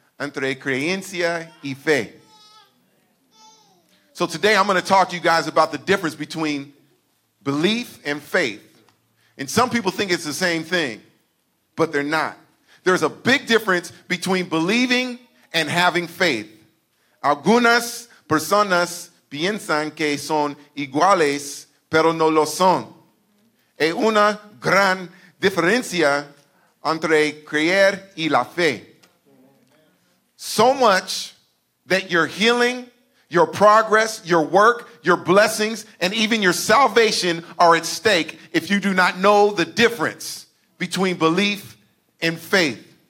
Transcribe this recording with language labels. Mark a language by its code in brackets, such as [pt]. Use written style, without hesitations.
[es] entre creencia y fe. [en] So today I'm going to talk to you guys about the difference between belief and faith. And some people think it's the same thing, but they're not. There's a big difference between believing and having faith. [es] Algunas personas piensan que son iguales, pero no lo son. Hay una gran diferencia entre creer y la fe. [en] So much that your healing, your progress, your work, your blessings, and even your salvation are at stake if you do not know the difference between belief and faith.